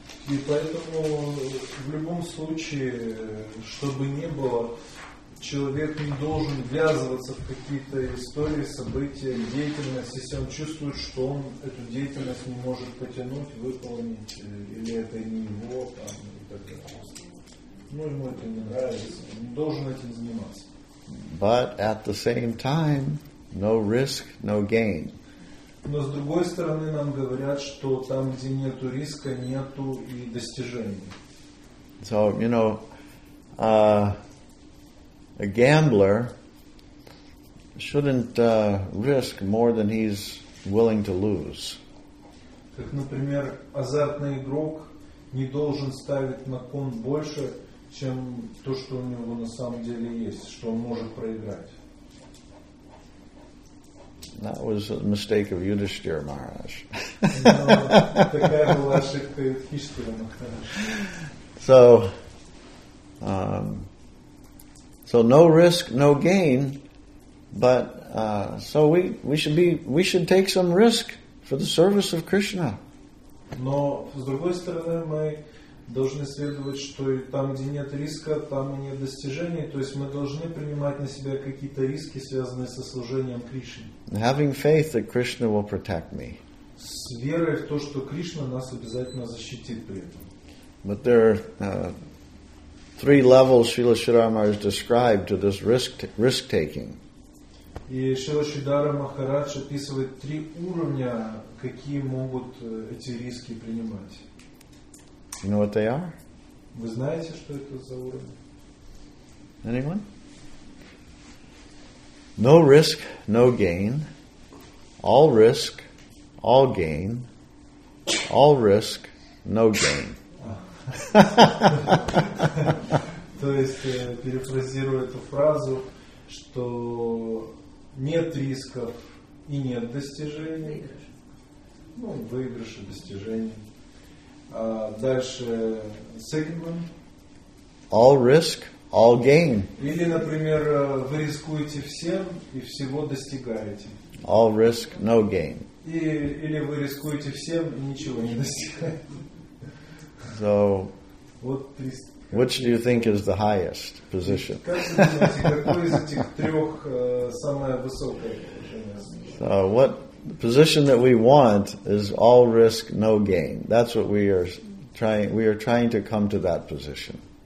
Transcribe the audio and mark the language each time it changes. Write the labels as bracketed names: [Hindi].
[Russian] И поэтому в любом случае, чтобы не было, человек не должен ввязываться в какие-то истории, события, деятельность, если он чувствует, что он эту деятельность не может потянуть, выполнить, или это не его, там, и так далее. Ну, ему это не нравится, он должен этим заниматься. [English] But at the same time, no risk, no gain. [Russian] Но с другой стороны нам говорят, что там, где нету риска, нету и достижений. [English] So, a gambler shouldn't risk more than he's willing to lose. [Russian] Как, например, азартный игрок не должен ставить на кон больше, чем то, что у него на самом деле есть, что он может проиграть. [English] That was a mistake of Yudhishthira Maharaj. So no risk, no gain. But so we should take some risk for the service of Krishna. [Russian] Но с другой стороны, мы должны следовать, что там, где нет риска, там и нет достижений. То есть мы должны принимать на себя какие-то риски, связанные со служением Кришне. [English] Having faith that Krishna will protect me. [Russian] С верой в то, что Кришна нас обязательно защитит при этом. [English] But there are three levels Srila Sridhara has described to this risk-taking. [Russian] И Шрила Сридхара Махарадж описывает три уровня, какие могут эти риски принимать. [English] You know what they are? [Russian] Вы знаете, что это за уровень? [English] Anyone? No risk, no gain. All risk, all gain. All risk, no gain. [Russian] То есть, перефразирую эту фразу, что нет рисков и нет достижений. Ну, выигрыш и достижение. Дальше, [English] second one. All risk, all gain. [Russian] Или, например, вы рискуете всем и всего достигаете. [English] All risk, no gain. [Russian] Или вы рискуете всем и ничего не достигаете. [English] So, which do you think is the highest position? So, what the position that we want is all risk, no gain. That's what we are trying. We are trying to come to that position.